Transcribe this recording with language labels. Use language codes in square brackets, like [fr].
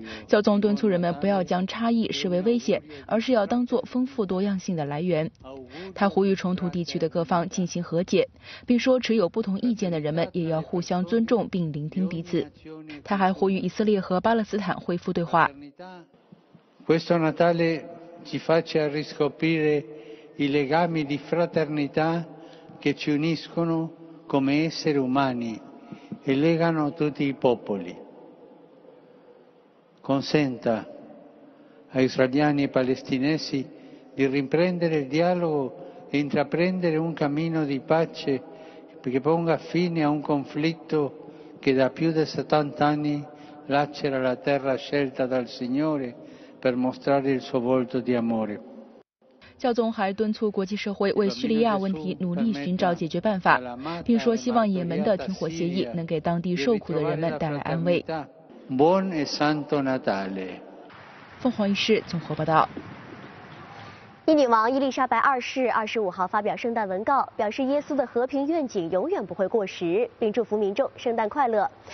[zh] 教宗敦促人们不要将差异视为危险，而是要当作丰富多样性的来源。他呼吁冲突地区的各方进行和解，并说持有不同意见的人们也要互相尊重并聆听彼此。他还呼吁以色列和巴勒斯坦恢复对话。 [it] Questo Natale ci faccia riscoprire i legami di fraternità che ci uniscono come esseri umani e legano tutti i popoli. Consenta a israeliani e palestinesi di riprendere il dialogo e intraprendere un cammino di pace che ponga fine a un conflitto che da più di 70 anni lacera la terra scelta dal Signore per mostrare il suo volto di amore. [zh] 教宗还敦促国际社会为叙利亚问题努力寻找解决办法，并说希望也门的停火协议能给当地受苦的人们带来安慰。 [it] Buon e Santo Natale。 [zh] 凤凰卫视综合报道。伊女王伊丽莎白2世25号发表圣诞文告，表示耶稣的和平愿景永远不会过时，并祝福民众圣诞快乐。